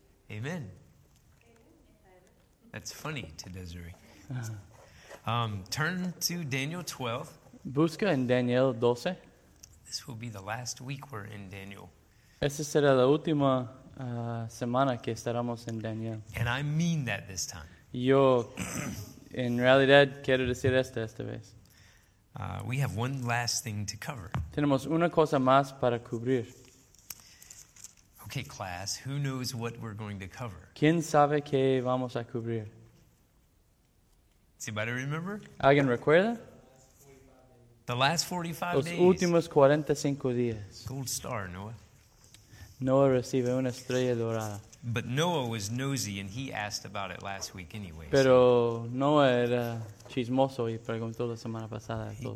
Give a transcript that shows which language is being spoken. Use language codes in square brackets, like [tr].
[en] Amen. That's funny to Desiree. Turn to Daniel 12. [es] Busca en Daniel 12. [en] This will be the last week we're in Daniel. [es] Esta será la última semana que estaremos en Daniel. [en] And I mean that this time. [es] Yo, en realidad, quiero decir esta vez. [en] We have one last thing to cover. [es] Tenemos una cosa más para cubrir. [en] Okay, class, who knows what we're going to cover? [es] ¿Quién sabe qué vamos a cubrir? [en] Does anybody remember? [es] ¿Alguien recuerda? [en] The last 45 days. [es] Los últimos 45 días. [en] Gold star, Noah. [es] Noah recibe una estrella dorada. [en] But Noah was nosy and he asked about it last week anyway. [es] Pero [en] so. [es] Noah era chismoso y preguntó la semana pasada.